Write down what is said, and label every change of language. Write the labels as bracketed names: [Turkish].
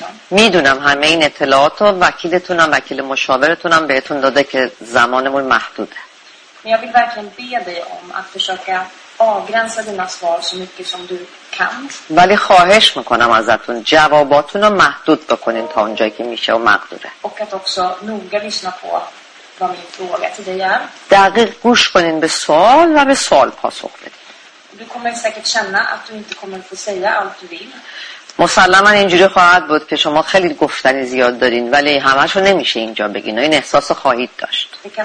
[Persian] میدونم همه این اطلاعات رو وکیلتون هم وکیل مشاورتون هم بهتون داده که زمانمون محدوده. [Swedish] Men jag vill verkligen be dig om att försöka avgränsa dina svar så mycket som du kan. [Persian] ولی خواهش میکنم ازتون جواباتون رو محدود بکنین تا اونجایی که میشه و مقدوره. [Swedish] Och att också noga lyssna på vad min fråga till dig är. [Persian] دقیق گوش کنین به سوال و به سوال پاسخ بدین. [Swedish] Du kommer säkert känna att du inte kommer få säga allt du vill. [Persian] مسلماً اینجوری خواهد بود که شما خیلی گفتنی زیاد دارین ولی همه‌شو نمیشه اینجا بگین و این احساس خواهید داشت.